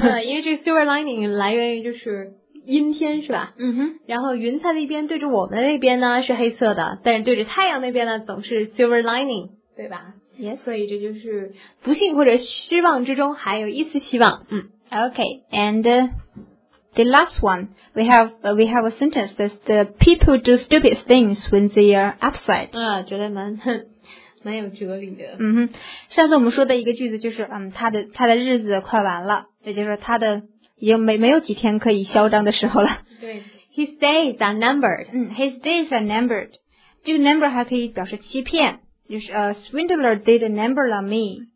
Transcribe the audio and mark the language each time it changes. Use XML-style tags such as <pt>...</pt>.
<zh>因为这个 silver lining 来源于就是阴天是吧？然后云彩那边对着我们那边呢是黑色的，但是对着太阳那边呢总是 silver lining， 对吧</zh> <en>？Yes。</en> <zh>所以这就是不幸或者失望之中还有一丝希望。</zh> <en>Okay. And the last one, we have a sentence that the people do stupid things when they are upset.</en> <zh>觉得蛮有哲理的。上次我们说的一个句子就是，他的日子快完了，也就是他的。已经没有几天可以嚣张的时候了。</zh> <en>对 ，His days are numbered. His days are numbered. 这个 number</en> <zh>还可以表示欺骗，就是</zh> <en>swindler did a number on me.</en>